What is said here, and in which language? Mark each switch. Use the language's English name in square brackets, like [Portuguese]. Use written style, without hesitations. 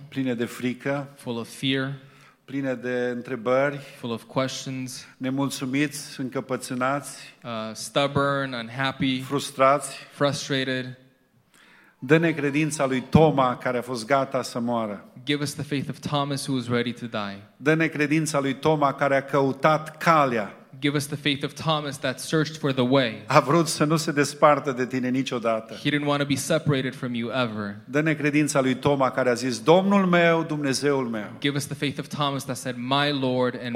[Romanian] Pline de frică. [English] Full of fear. [Romanian] Pline de întrebări, [English] full of questions, [Romanian] nemulțumiți, încăpățânați, [English] stubborn, unhappy, [Romanian] frustrați, [English] frustrated. [Romanian] Dă-ne credința lui Toma care a fost gata să moară. [English] Give us the faith of Thomas who was ready to die. [Romanian] Dă-ne credința lui Toma care a căutat calea. [English] Give us the faith of Thomas that searched for the way. [Romanian] A vrut să nu se despartă de tine niciodată. [English] He didn't want to be separated from you ever. [Romanian] Dă-ne credința lui Toma care a zis Domnul meu, Dumnezeul meu. [English] Give us the faith of Thomas that said my Lord and